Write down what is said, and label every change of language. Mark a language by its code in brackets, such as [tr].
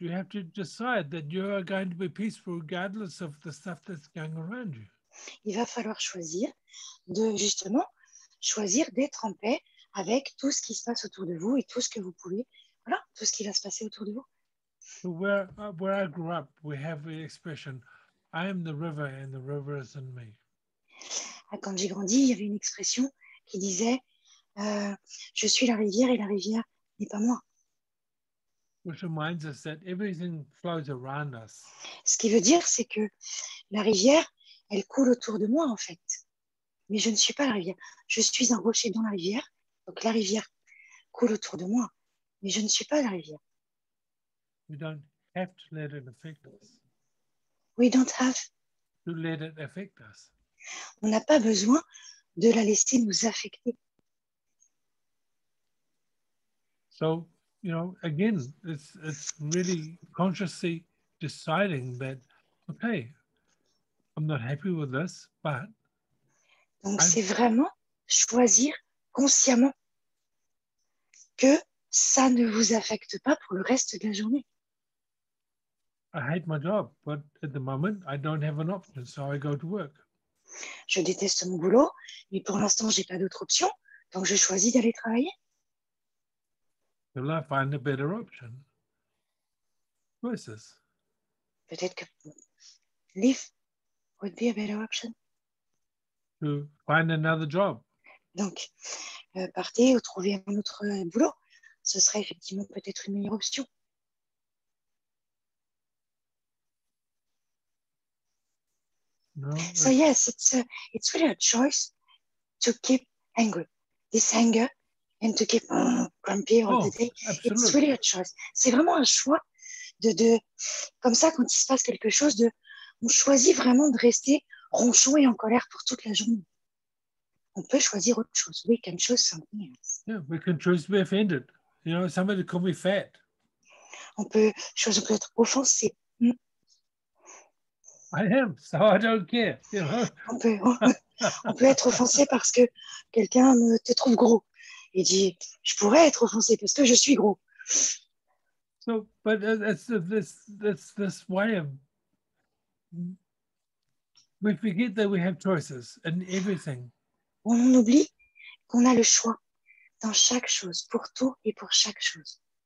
[en] You have to decide that you are going to be peaceful regardless of the stuff that's going around you. [fr] Il va falloir choisir de justement choisir d'être en paix avec tout ce qui se passe autour de vous et tout ce que vous pouvez, voilà, tout ce qui va se passer autour de vous. [en] So where I grew up, we have the expression, I am the river and the river is in me. [fr] Quand j'ai grandi, il y avait une expression qui disait je suis la rivière et la rivière n'est pas moi. [en] Which reminds us that everything flows around us. [fr] Ce qui veut dire, c'est que la rivière, elle coule autour de moi, en fait. Mais je ne suis pas la rivière. Je suis un rocher dans la rivière. Donc la rivière coule autour de moi. Mais je ne suis pas la rivière. [en] We don't have to let it affect us. We don't have to let it affect us. [fr] On n'a pas besoin de la laisser nous affecter. [en] So, you know, again, it's really consciously deciding that, okay, I'm not happy with this, but [fr] donc c'est vraiment choisir consciemment que ça ne vous affecte pas pour le reste de la journée. [en] I hate my job, but at the moment I don't have an option, so I go to work. [fr] Je déteste mon boulot, mais pour l'instant j'ai pas d'autre option, donc je choisis d'aller travailler. [en] Will I find a better option? Choices. [fr] Peut-être que [en] leave would be a better option. To find another job. [fr] Donc, partez ou trouver un autre boulot. Ce serait effectivement peut-être une meilleure option. [en] No, so yes, it's really a choice to keep angry. This anger and to keep grumpy all the day. Absolutely. It's really a choice. [fr] C'est vraiment un choix de comme ça, quand il se passe quelque chose, on choisit vraiment de rester ronchon et en colère pour toute la journée. On peut choisir autre chose. [en] We can choose something else. Yeah, we can choose to be offended. You know, somebody could be fat. [fr] On peut choisir d'être offensé. [en] I am, so I don't care. You know? [fr] On peut être offensé parce que quelqu'un te trouve gros. Il dit, je pourrais être offensé parce que je suis gros. [en] So, but it's this way of, we forget that we have choices in everything. [fr] On oublie qu'on a le choix dans chaque chose, pour tout et pour chaque chose.